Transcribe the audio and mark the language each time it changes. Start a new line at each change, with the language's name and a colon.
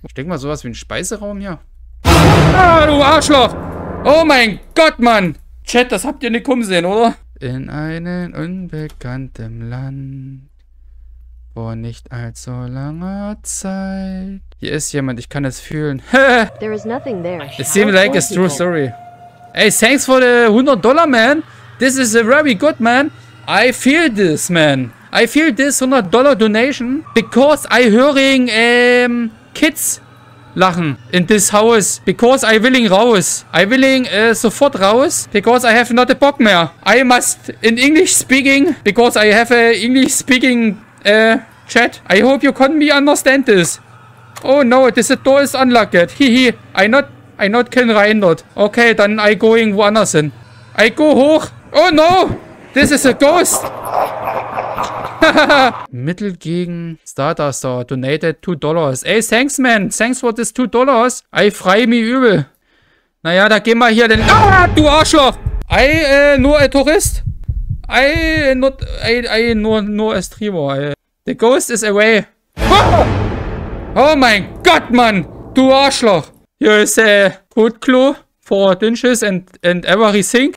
German: Ich denke mal, sowas wie ein Speiseraum hier. Ah, du Arschloch. Oh mein Gott, Mann. Chat, das habt ihr nicht kommen sehen, oder? In einem unbekannten Land. Vor nicht allzu langer Zeit. Hier ist jemand, ich kann es fühlen.
English: There is nothing there. It seems like it's true story. Hey, thanks for the 100 Dollar, man. This is a very good, man. I feel this, man. I feel this 100 Dollar donation. Because I hearing kids lachen in this house. Because I willing raus. I willing
German: sofort raus.
English: Because I have not a
German: Bock mehr.
English: I must in English speaking. Because I have a English speaking chat. I hope you can me understand this. Oh no, this door is unlocked. Hihi, I not can
German: rein dort.
English: Okay, dann I going
German: woanders hin.
English: I go hoch. Oh no, this is a ghost. Mittel gegen Stardustor donated $2. Ey, thanks man, thanks for this $2.
German: I frei mi übel. Naja, da gehen wir hier den... Ah, du Arschloch. I nur a Tourist.
English: I not... I nur a Streamer. The ghost is away.
German: Oh mein Gott, Mann! Du Arschloch! Hier ist
English: a good clue for dinches and everything.